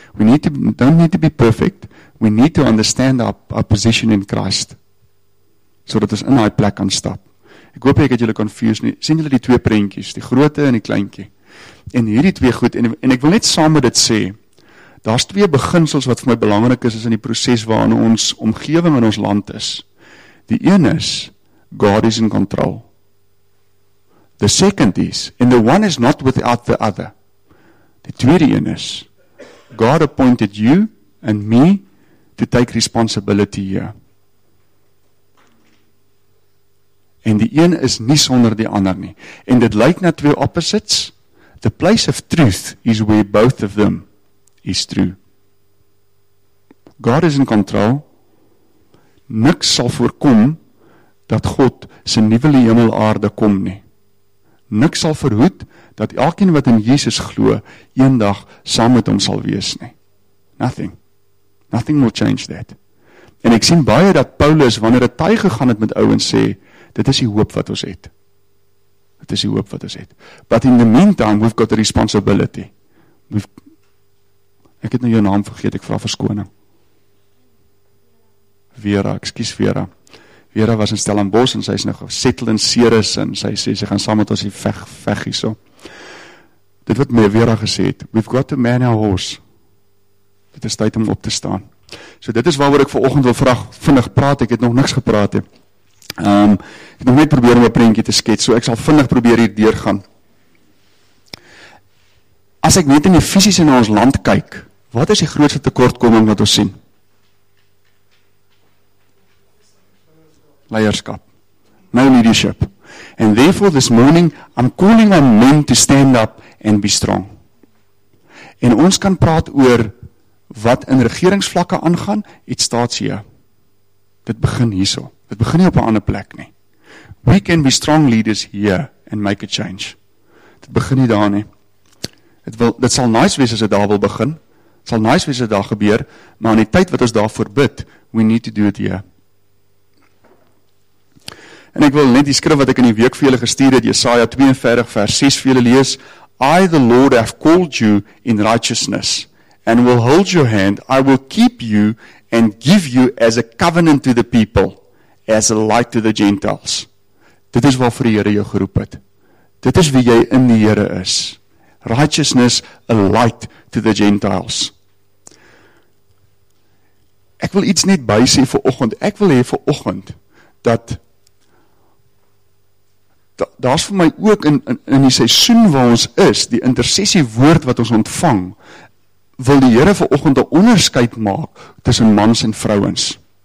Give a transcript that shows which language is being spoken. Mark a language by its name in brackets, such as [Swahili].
[English] We don't need to be perfect, we need to understand our position in Christ, [Afrikaans] so dat ons in daai plek kan stap. Ek hoop ek het julle confused nie, sien julle die 2 prentjies, die grootte en die kleintjie, en hierdie 2 goed, en ek wil net saam met dit sê, daar is 2 beginsels wat vir my belangrik is in die proses waarin ons omgewing in ons land is. Die een is, [English] God is in control. The second is, and the one is not without the other. [Afrikaans] Die tweede een is, [English] God appointed you and me to take responsibility here. [Afrikaans] En die een is nie sonder die ander nie. En dit lyk na 2 opposites. [English] The place of truth is where both of them is true. God is in control. [Afrikaans] Niks sal voorkom dat God sy nuwe hemel aarde kom nie. Niks sal verhoed dat elkeen wat in Jesus glo, eendag saam met hom sal wees nie. [English] Nothing. Nothing will change that. [Afrikaans] En ek sien baie dat Paulus, wanneer hy tuig gegaan het met ouens, sê, dit is die hoop wat ons het. Dit is die hoop wat ons het. [English] But in the meantime, we've got a responsibility. [Afrikaans] Ek het nou jou naam vergeet, ek vra verskoning. Vera, excuse Vera. Vera was in Stellenbosch en sy is nou gesettel in Ceres en sy sê, sy gaan saam met ons die veg hier so. Dit wat my Vera gesê het, [English] we've got to man our horse. [Afrikaans] Dit is tyd om op te staan. So dit is waaroor ek vanoggend wil vraag, vinnig praat, ek het nog niks gepraat. Ek het nog net probeer om 'n prentjie te skets, so ek sal vinnig probeer hier deurgaan. As ek net in die fisies in ons land kyk, wat is die grootste tekortkoming wat ons sien? [English] Leierskap. No leadership. And therefore this morning, I'm calling on men to stand up and be strong. [Afrikaans] En ons kan praat oor wat in regeringsvlakke aangaan, iets staats hier. Dit begin hierso. Dit begin nie op 'n ander plek nie. [English] We can be strong leaders here and make a change. [Afrikaans] Dit begin nie daar nie. Dit sal nice wees as dit daar wil begin. Dit sal nice wees as dit daar gebeur, maar in die tyd wat ons daarvoor bid, [English] we need to do it here. [Afrikaans] En ek wil net die skrif wat ek in die week vir julle gestuur het, Jesaja 42 vers 6 vir julle lees. [English] I the Lord have called you in righteousness and will hold your hand. I will keep you and give you as a covenant to the people, as a light to the Gentiles. [Afrikaans] Dit is waarvoor die Here jou geroep het. Dit is wie jy in die Here is. [English] Righteousness, a light to the Gentiles. [Afrikaans] Ek wil iets net by sê vir oggend. Ek wil hê vir oggend dat daar is vir my ook in die seisoen waar ons is, die intersessie woord wat ons ontvang, wil die Here vir oggend 'n onderskeid maak tussen mans en vrouens.